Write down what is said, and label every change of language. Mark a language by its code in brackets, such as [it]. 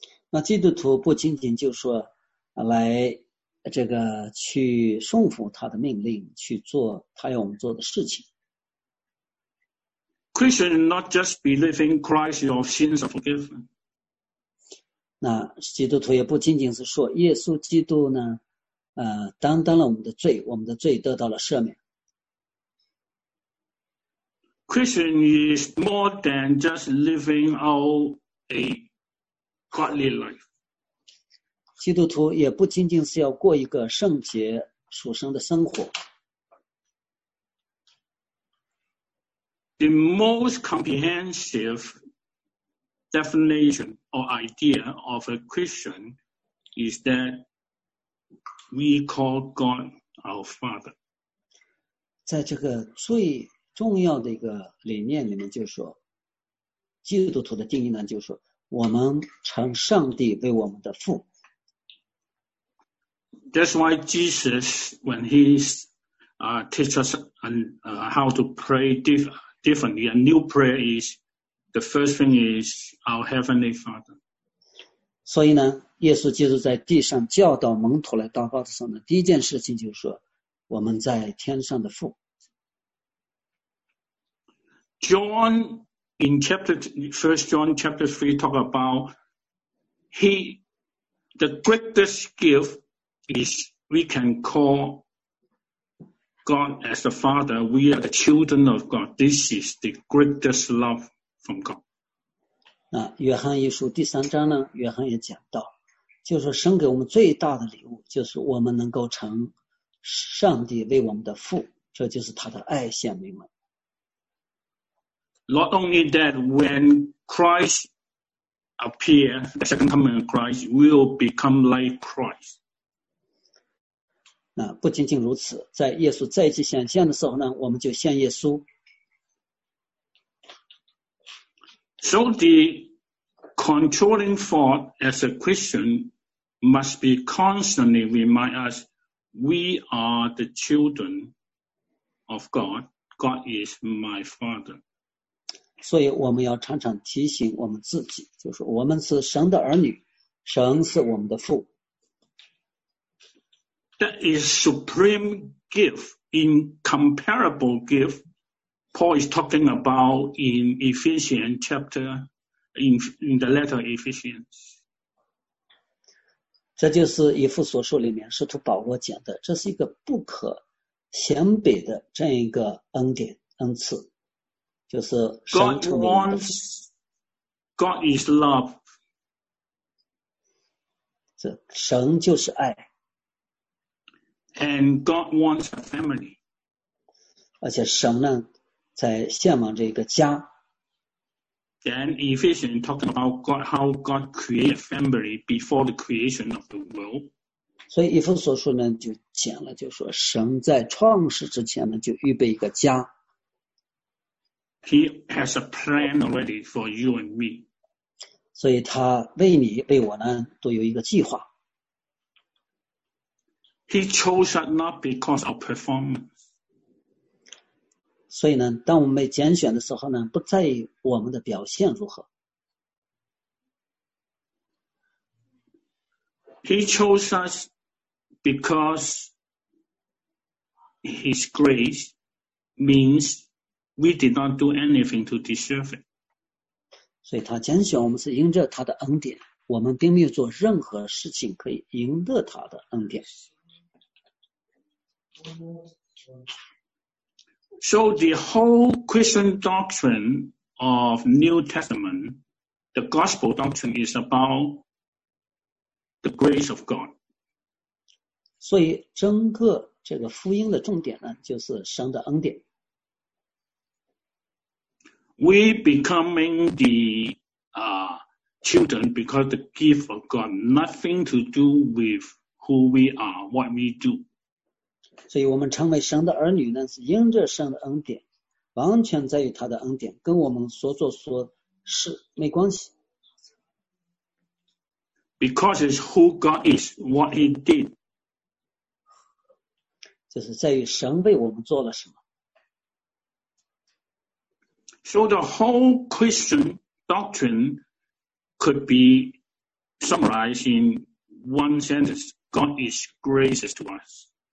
[zh] 那基督徒不仅仅就说来这个去顺服他的命令，去做他要我们做的事情。 [en] Christian is not just believing Christ, your sins are forgiven. [zh] 那基督徒也不仅仅是说耶稣基督呢。担当了我们的罪，我们的罪得到了赦免。 [en] Christian is more than just living out a godly life. [zh] 基督徒也不仅仅是要过一个圣洁属神的生活。 [en] The most comprehensive definition or idea of a Christian is thatWe call God our Father. [zh] 在这个最重要的一个理念里面，就是说，基督徒的定义呢，就是说，我们称上帝为我们的父。 [en] That's why Jesus, when he teach us how to pray differently, a new prayer is the first thing is our Heavenly Father. [zh] 所以呢。耶稣基督在地上教导门徒来祷告的时候呢，第一件事情就是说，我们在天上的父。 [en] John in chapter First John chapter 3 talk about he the greatest gift is we can call God as the Father. We are the children of God. This is the greatest love from God. [zh] 那约翰一书第三章呢，约翰也讲到。就是神给我们最大的礼物，就是我们能够成上帝为我们的父，这就是他的爱显明了。 [en] Not only that, when Christ appears, the second coming of Christ will become like Christ. [zh] 那不仅仅如此，在耶稣再次显现的时候呢，我们就像耶稣。 [en] So the controlling thought as a Christian. Must be constantly remind us we are the children of God. God is my father. [zh] 所以我们要常常提醒我们自己，就是我们是神的儿女，神是我们的父。 [en] That is supreme gift, incomparable gift. Paul is talking about in Ephesians chapter in the letter Ephesians. [zh] 这就是以弗所书里面使徒保罗讲的，这是一个不可显比的这样一个恩典恩赐，就是神称为我们的父。 [en] God is love. [zh] 这神就是爱。 [en] And God wants a family. [zh] 而且神呢，在向往着一个家。 [en] Then Ephesians talking about God, how God created family before the creation of the world. [zh] 所以以弗所书呢就讲了，就说神在创始之前呢就预备一个家。 [en] He has a plan already for you and me. [zh] 所以他为你为我呢都有一个计划。 [en] He chose us not because of performance. [zh] 所以呢，当我们被拣选的时候呢，不在于我们的表现如何。 [en] He chose us because His grace means we did not do anything to deserve it. [zh] 所以他拣选我们是因着他的恩典，我们并没有做任何事情可以赢得他的恩典。 [en] So the whole Christian doctrine of New Testament, the gospel doctrine is about the grace of God. [zh] 所以整个这个福音的重点呢，就是神的恩典。 [en] We becoming the children because the gift of God nothing to do with who we are, what we do. [zh] 所以我们成为神的儿女呢，是因着神的恩典，完全在于他的恩典，跟我们所做所事没关系。 [en] Because it's who God is, what He did. [zh] 就是在于神为我们做了什么。 [en] So the whole Christian doctrine could be summarized in one sentence: God is gracious to us.